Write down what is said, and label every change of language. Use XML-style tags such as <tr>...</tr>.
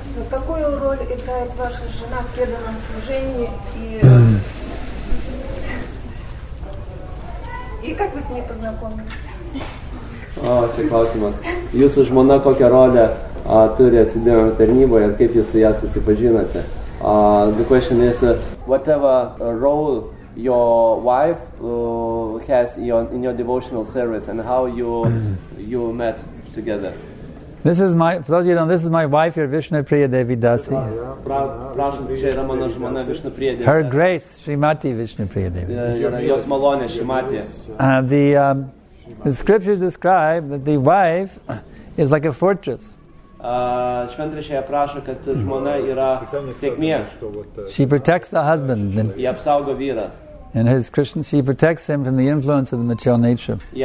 <ru>Какую роль играет ваша жена в преданном служении и как вы с ней познакомились?</ru> <lt>О, чей клаусимас. Jūsų žmona kokią rolę turi atsidėjimo tarnyboje ir kaip jūs su ją susipažinote?</lt> <en>The question is, whatever role your wife has in your devotional service and how you met together? This is my, for those of you know, this is my wife here, Vishnu Priya Devi Dasi. Her grace, Srimati Vishnu Priya Devi. The scriptures describe that the wife is like a fortress.</en> <lt>Šventrašėje aprašo, kad žmona yra sėkmė.</lt> <en>She protects the husband.</en> <lt>Ji apsaugo vyrą.</lt> <en>And his Krishna, she protects him from the influence of the material nature.</en>